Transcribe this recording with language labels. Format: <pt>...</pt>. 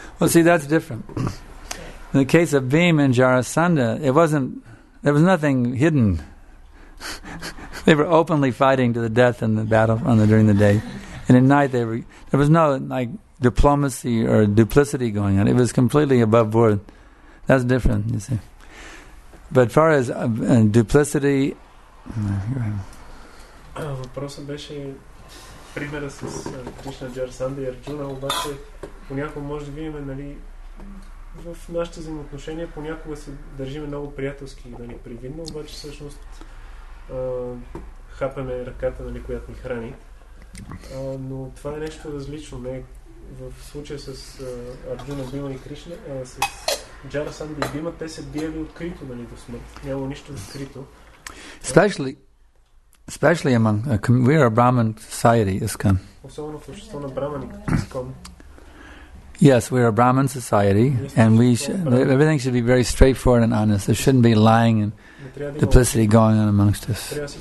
<en>Well, see, that's different. In the case of Bhima and Jarasandha, there was nothing hidden. They were openly fighting to the death in the battle during the day, and at night there was no like diplomacy or duplicity going on. It was completely above board. That's different, you see. But far as duplicity.</en> <bg>Въпросът беше примера с Кришна, Джарасандха и Арджуна, обаче понякога може да видим, нали, в нашите взаимоотношения понякога се държиме много приятелски, нали, привидно, обаче всъщност хапаме ръката, нали, която ни храни. Но това е нещо различно. Не, в случая с Арджуна, Бима и Кришна, с Джарасандха и Бима, те се биели открито, нали, до смърт. Няма нищо открито.</bg> <en>Especially among we are a Brahman society, ISKCON. Yes, we are a Brahman society, and everything should be very straightforward and honest. There shouldn't be lying and duplicity going on amongst us.</en>